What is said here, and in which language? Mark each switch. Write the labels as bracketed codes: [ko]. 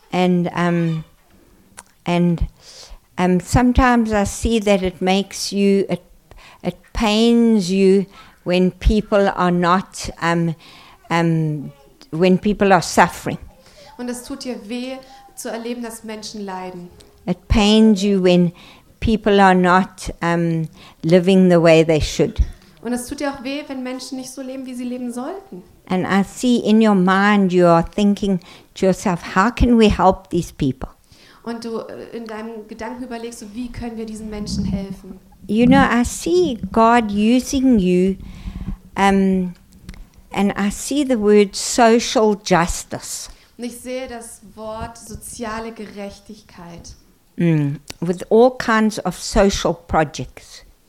[en] And sometimes I see that it makes you, it pains you when people are not when people are suffering. [de] Und es tut dir weh zu erleben, dass Menschen leiden. [en] It pains you when people are not living the way they should. [de] Und es tut dir auch weh, wenn Menschen nicht so leben, wie sie leben sollten. [en] And I see in your mind you are thinking to yourself, how can we help these people? [de] Und du in deinem Gedanken überlegst, wie können wir diesen Menschen helfen? [en] You know, I see God using you and I see the word social justice. [de] Und ich sehe das Wort soziale Gerechtigkeit. [en] With all kinds of social projects.